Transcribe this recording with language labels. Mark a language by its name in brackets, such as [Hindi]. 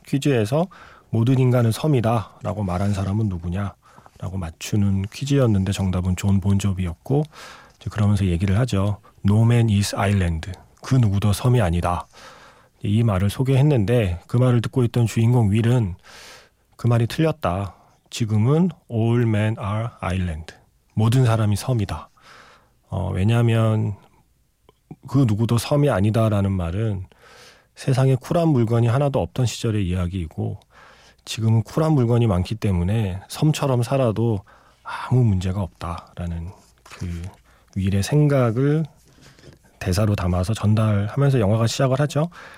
[Korean] 퀴즈에서 모든 인간은 섬이다 라고 말한 사람은 누구냐 라고 맞추는 퀴즈였는데 정답은 존 본조비였고, 그러면서 얘기를 하죠. [English] No man is island. [Korean] 그 누구도 섬이 아니다. 이 말을 소개했는데 그 말을 듣고 있던 주인공 윌은 그 말이 틀렸다. 지금은 [English] all men are island. [Korean] 모든 사람이 섬이다. 왜냐하면 그 누구도 섬이 아니다 라는 말은 세상에 쿨한 물건이 하나도 없던 시절의 이야기이고, 지금은 쿨한 물건이 많기 때문에 섬처럼 살아도 아무 문제가 없다라는 그 윌의 생각을 대사로 담아서 전달하면서 영화가 시작을 하죠.